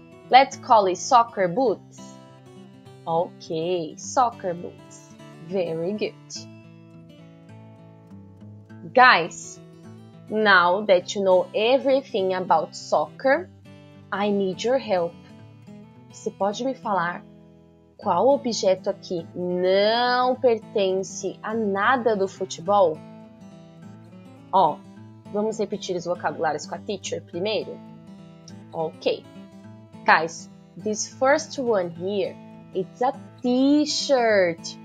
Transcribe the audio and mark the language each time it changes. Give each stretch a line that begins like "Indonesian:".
English: Let's call it soccer boots. Ok, soccer boots. Very good. Guys, now that you know everything about soccer, I need your help.
Portuguese: Você pode me falar qual objeto aqui não pertence a nada do futebol? Ó, vamos repetir os vocabulários com a teacher primeiro?
English: Ok. Guys, this first one here, it's a t-shirt.